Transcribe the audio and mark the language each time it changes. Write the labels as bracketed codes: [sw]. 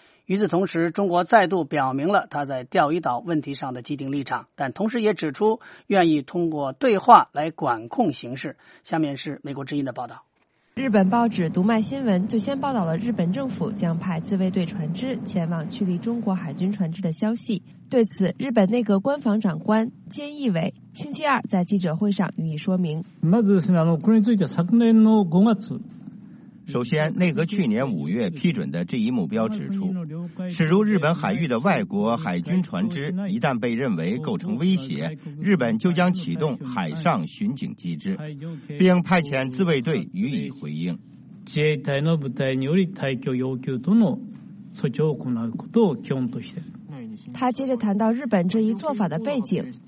[zh] 与此同时，中国再度表明了他在钓鱼岛问题上的既定立场，但同时也指出愿意通过对话来管控形势。下面是美国之音的报道。日本报纸读卖新闻就先报道了日本政府将派自卫队船只前往驱离中国海军船只的消息。对此，日本内阁官房长官菅义伟星期二在记者会上予以说明。 [ja] まずですね、これについて昨年の5月。 [zh] 首先，内阁去年五月批准的这一目标指出，驶入日本海域的外国海军船只一旦被认为构成威胁，日本就将启动海上巡警机制，并派遣自卫队予以回应。 [ja] 自衛隊の部隊により退去要求との措置を行うことを基本として。 [zh] 他接着谈到日本这一做法的背景。